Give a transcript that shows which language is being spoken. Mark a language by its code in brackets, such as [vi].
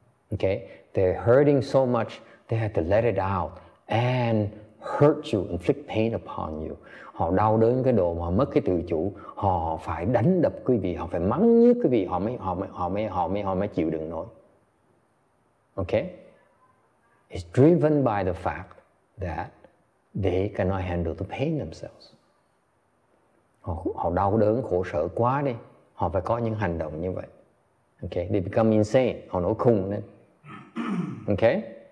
[en] Okay, they're hurting so much, they had to let it out. and hurt you, inflict pain upon you. [vi] Họ đau đớn cái độ mà mất cái tự chủ, họ phải đánh đập quý vị, họ phải mắng nhiếc quý vị, họ mới chịu đựng nổi. [en] Okay? It's driven by the fact that they cannot handle the pain themselves. [vi] Họ đau đớn, khổ sở quá đi, họ phải có những hành động như vậy. Okay? [en] They become insane, [vi] họ nổi khùng lên. Okay?